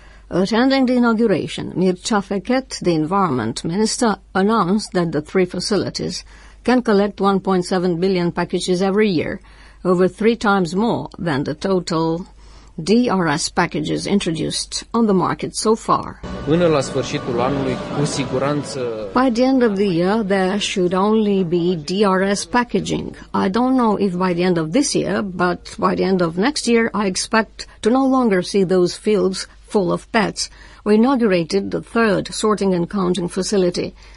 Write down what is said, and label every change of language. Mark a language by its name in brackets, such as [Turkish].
[English] Attending the inauguration, Mircea Fechet, the environment minister, announced that the three facilities can collect 1.7 billion packages every year, over three times more than the total DRS packages introduced on the market so far. [Romanian] Până la sfârșitul anului, cu siguranță... [English] By the end of the year, there should only be DRS packaging. I don't know if by the end of this year, but by the end of next year, I expect to no longer see those fields full of PETs. We inaugurated the third sorting and counting facility.